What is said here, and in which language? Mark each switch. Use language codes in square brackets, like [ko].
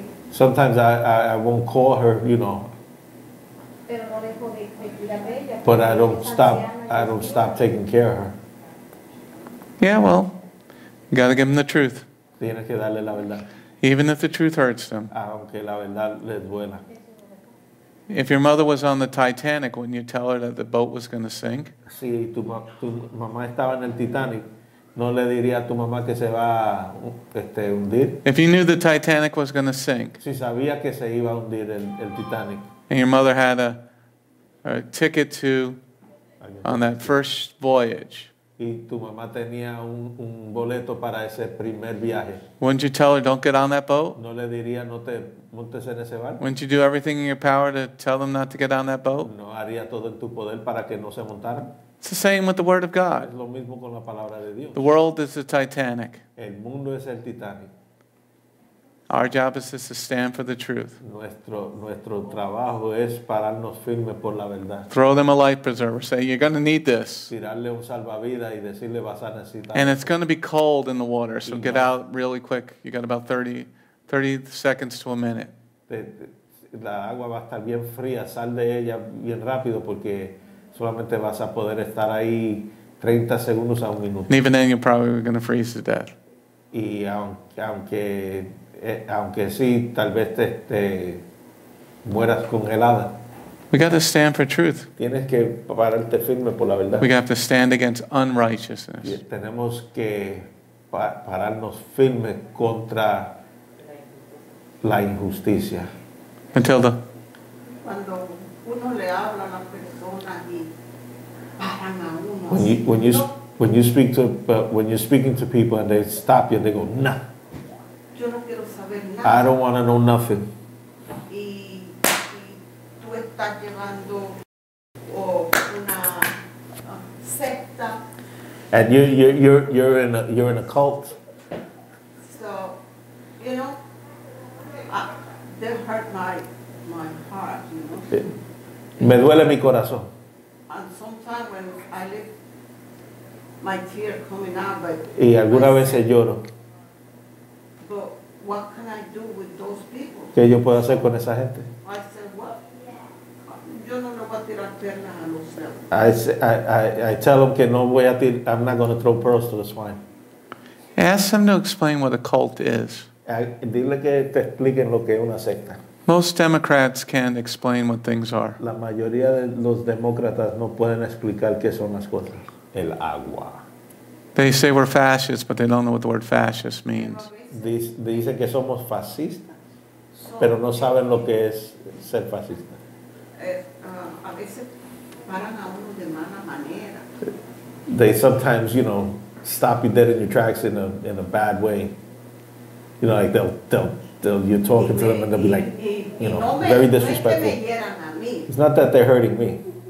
[en] Sometimes I won't call her, you know. But I don't stop taking care of her. Yeah, well, you gotta give them the truth. [es] Tienes que darle la verdad. [en] Even if the truth hurts them. [es] Aunque la verdad les duela. [en] If your mother was on the Titanic, wouldn't you tell her that the boat was going to sink? [es] Si tu mamá estaba en el Titanic, ¿no le diría a tu mamá que se va a hundir? [en] If you knew the Titanic was going to sink. [es] Si sabía que se iba a hundir el Titanic. [en] And your mother had a ticket to on that first voyage. [es] Y tu mamá tenía un boleto para ese primer viaje. [en] Wouldn't you tell her, don't get on that boat? [es] No le diría, no te montes en ese barco. [en] Wouldn't you do everything in your power to tell them not to get on that boat? [es] No haría todo en tu poder para que no se montaran. [en] It's the same with the Word of God. [es] Es lo mismo con la palabra de Dios. [en] The world is the Titanic. [es] El mundo es el Titanic. [en] Our job is just to stand for the truth. [es] Nuestro trabajo es pararnos firme por la verdad. [en] Throw them a life preserver. Say, you're going to need this. [es] Tirarle un salvavidas y decirle, vas a necesitar. [en] And it's going to be cold in the water, so get out really quick. You got about 30 seconds to a minute. [es] La agua va a estar bien fría. Sal de ella bien rápido porque solamente vas a poder estar ahí 30 segundos a un minuto. [en] And even then, you're probably going to freeze to death. [es] Y aunque sí, tal vez te mueras congelada. [en] We got to stand for truth. [es] Tienes que pararte firme por la verdad. [en] We have to stand against unrighteousness. [es] Y tenemos que pararnos firme contra la injusticia. Matilda. Cuando uno le habla a la persona y paran a uno. [en] When you're speaking to people and they stop you, they go, nah. [es] Yo no quiero saber nada. [en] I don't want to know nothing. [es] Y tú estás llevando una secta. [en] And you're in a cult. So, you know, that hurt my heart, you know. [es] Me duele mi corazón. [en] And sometimes when I live, my tear coming out, but [es] y algunas veces lloro. [en] But what can I do with those people? [es] ¿Qué yo puedo hacer con esa gente? [en] I said, what? [es] Yo no le voy a tirar piernas a los cerdos. [en] I tell them [es] que no voy a tirar, [en] I'm not going to throw pearls to the swine. Ask them to explain what a cult is. [es] Dile que te expliquen lo que es una secta. [en] Most Democrats can't explain what things are. [es] La mayoría de los demócratas no pueden explicar qué son las cosas. El agua. [en] They say we're fascists, but they don't know what the word fascist means. [es] Dice que somos fascistas, pero no saben lo que es ser fascista. A veces paran a uno de mala manera. [en] They sometimes, you know, stop you dead in your tracks in a bad way. You know, like they'll you're talking to them and they'll be like, you know, very disrespectful. It's not that they're hurting me.